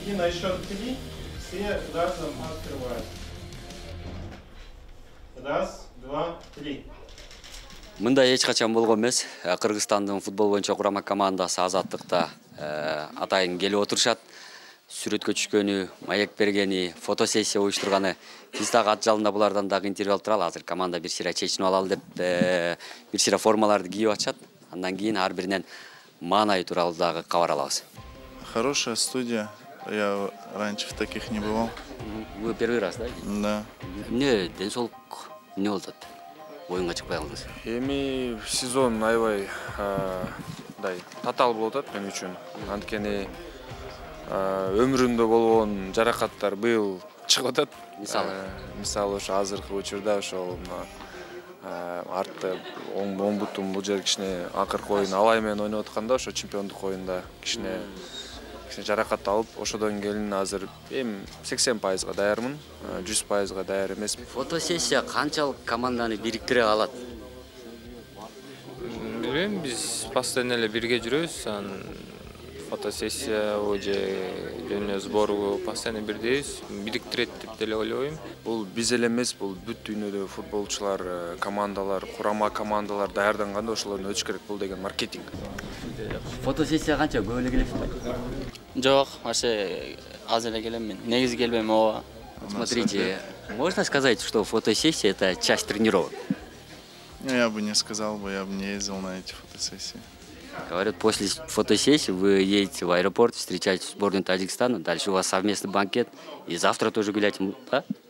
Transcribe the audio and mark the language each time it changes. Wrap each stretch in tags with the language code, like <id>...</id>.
<ru>счет 3 все разом открывают. Раз, два, три.</ru> <ky>Мында эч качан болгон эмес. Кыргызстандын футбол боюнча курама командасы Азаттыкта атайын келип отурушат. Сүрөткө түшкөнү, маек бергени, фотосессия уюштурганы. Биз дагы ат жалында булардан дагы интервью алтыралы. Азыр команда бир сыйра чечинип алалы деп бир сыйра формаларды кийип атышат. Андан кийин ар биринен маанай тууралуу дагы кабар алабыз.</ky> <ru>Хорошая студия. Я раньше в таких не бывал. Вы первый раз, да? Да.</ru> <ky>Эмне ден соолук эмне болуп атат? Оюнга чыкпай калдыңыз. Эми сезон аябай мындай татаал болуп атат мен үчүн. Анткени өмүрүмдө болгон жаракаттар быйыл чыгып атат. Мисалы ошо азыркы учурда ошол мына артты оң бутум бул жер кичине акыркы оюн Алай менен ойноп атканда ошо чемпиондук оюнда кичине жаракат алып ошодон келин азыр эми 80% даярмын, 100% даяр эмесмин. Фотосессия канчалык команданы бириктире алат? Билбейм, биз постоянно эле бирге жүрөбүз. Анан фотосессия же жөн эле сборго постоянно бирдейбиз, бириктирет деп деле ойлобойм. Бул биз эле эмес, бул бүт дүйнөдө футболчулар, командалар, курама командалар даярданганда ошолордон өтүш керек, бул деген маркетинг. Фотосессия канча көп эле келесиңби? Жок, вообще аз эле келем мен. Негизи келбейм, ооба.</ky> <ru>Смотрите, можно сказать, что фотосессия это часть тренировок? Ну, я бы не сказал бы, я бы не ездил на эти фотосессии. Говорят, после фотосессии вы едете в аэропорт, встречаете сборную Таджикистана, дальше у вас совместный банкет, и завтра тоже гулять, да?</ru>